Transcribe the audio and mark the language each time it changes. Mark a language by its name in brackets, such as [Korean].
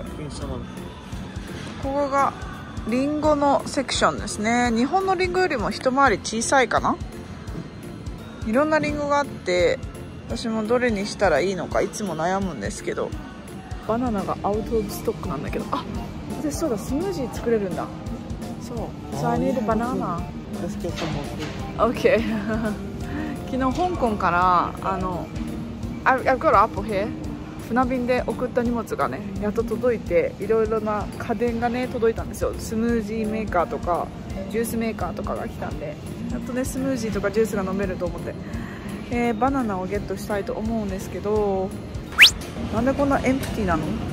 [Japanese] ここがリンゴのセクションですね。日本のリンゴよりも一回り小さいかな。いろんなリンゴがあって、私もどれにしたらいいのかいつも悩むんですけど、バナナがアウトオブストックなんだけど、あ、でそうだ、スムージー作れるんだ。そう、 [English] So I need a banana. Let's get some more. Okay. [Japanese] 昨日香港から [English] I've got an apple here. [Japanese] 船便で送った荷物がねやっと届いて、いろいろな家電がね届いたんですよ。スムージーメーカーとかジュースメーカーとかが来たんで、やっとねスムージーとかジュースが飲めると思って、バナナをゲットしたいと思うんですけど、なんでこんなエンプティなの。